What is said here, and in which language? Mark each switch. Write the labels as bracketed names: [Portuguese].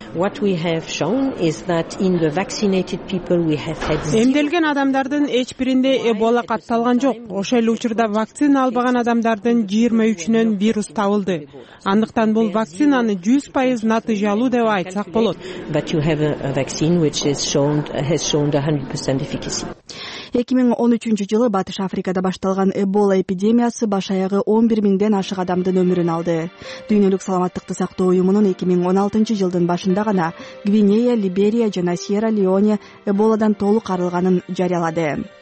[Kyrgyz] Эмделген адамдардын эч биринде Эбола катталган жок. Ошол эле учурда вакцина албаган адамдардын 23-үнөн вирус табылды. Андыктан бул вакцинаны 100% натыйжалуу деп айтсак болот. [English] But you have a vaccine which has shown 100% efficacy. [Kyrgyz] 2013-жылы Батыш Африкада башталган Эбола эпидемиясы баш аягы 11000 ашык адамдын өмүрүн алды. Дүйнөлүк саламаттыкты сактоо уюмунун 2016-жылдын башында гана Гвинея, Либерия жана Сьерра-Леоне Эболадан толук арылганын жарыялады.